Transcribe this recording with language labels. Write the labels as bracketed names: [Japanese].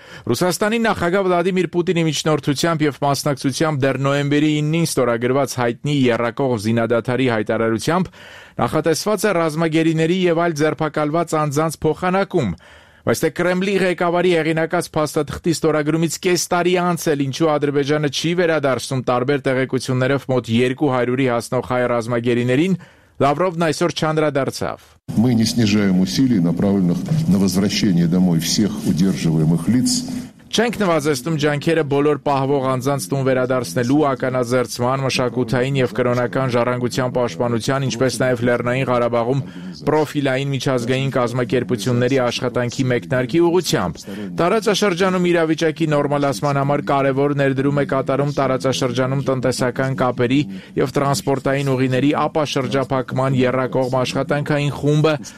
[Armenian] Ռուսաստանի նախագահ Վլադիմիր Պուտինի միջնորդությամբ և մասնակցությամբ դեռ նոյեմբերի 9-ին ստորագրված հայտնի եռակող զինադադարի հայտարարությամբ նախատեսված է ռազմագերիների և այլ ձերբակալված անձանց փոխանակում, բայց թե Կրեմլի ղեկավարի հեղինակած փաստաթղթի ստորագրումից կես տարի անց էլ ինչու Ադրբեջանը չի վերադարձում տարբեր տեղեկություններով մոտ 200-ի հասնող հայ ռազմագերիներին, Лавровն այսօր չանդրադարձավ. [Russian] Мы не снижаем усилий, направленных на возвращение домой всех удерживаемых лиц. [Armenian] Չենք նվազեցնում ջանքերը բոլոր պահվող անձանց տուն վերադարձնելու ականաձերծման, մշակութային և կրոնական ժառանգության պաշտպանության, ինչպես նաև Լեռնային Ղարաբաղում պրոֆիլային միջազգային կազմակերպությունների աշխատանքի մեկնարկի ուղղությամբ։ Տարածաշրջանում իրավիճակի նորմալացման համար կարևոր ներդրում է կատարում տարածաշրջանում տնտեսական կապերի և տրանսպորտային ուղիների ապաշրջափակման եռակողմ աշխատանքային խումբը